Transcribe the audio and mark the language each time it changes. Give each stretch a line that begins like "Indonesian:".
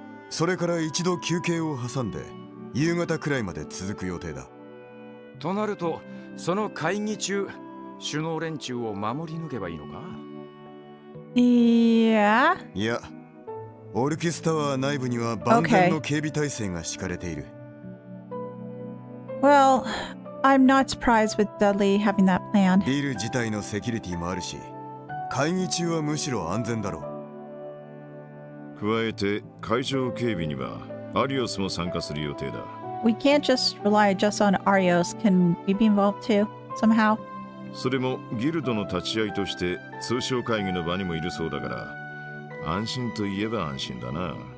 Japanese: それから一度休憩を挟んで夕方くらいまで続く予定だ。となるとその会議中首脳連中を守り抜けばいいのか。いやオルキスタワー内部には万全の警備体制が敷かれている。
English: Well, I'm not surprised with Dudley having that plan.
Japanese: ビル自体のセキュリティもあるし会議中はむしろ安全だろう。加えて会場警備にはアリオスも参加する予定だ。
English: We can't just rely just on Arios. Can we be involved too, somehow?
Japanese: それもギルドの立ち会いとして通商会議の場にもいるそうだから、安心といえば安心だな。